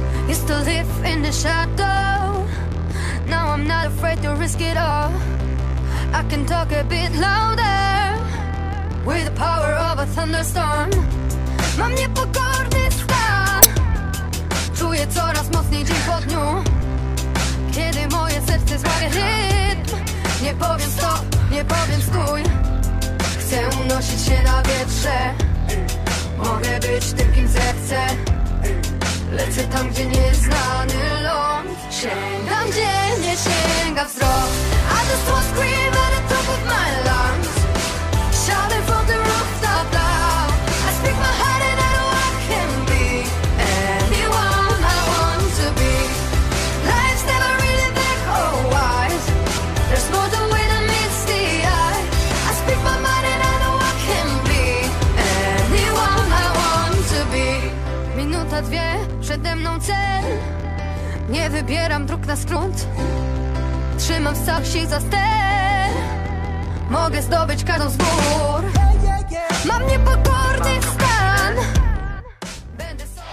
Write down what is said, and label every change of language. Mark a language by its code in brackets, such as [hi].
[en] Used to live in the shadow. Now I'm not afraid to risk it all. I can talk a bit louder with the power of a thunderstorm. [pl] Mam niepokorny stan. Czuję coraz mocniej dzień po dniu. Kiedy moje serce złapie rytm. Nie powiem stop, nie powiem stój. Chcę unosić się na wietrze. Mogę być tym, kim zechcę. Lecę tam, gdzie nieznany ląd. Sięgam, gdzie nie sięga wzrok. [en] I just won't scream at the top of my lungs. Shouting from the rooftop loud. I speak my heart and I know I can be anyone I want to be. Life's never really black or white. There's more than way that meets the eye. I speak my mind and I know I can be anyone I want to be. [pl] Minuta, dwie. Przede mną cel. Nie wybieram dróg na skrót. Trzymam w sercu za ster. Mogę zdobyć każdą z gór. Mam niepokorny stan. Będę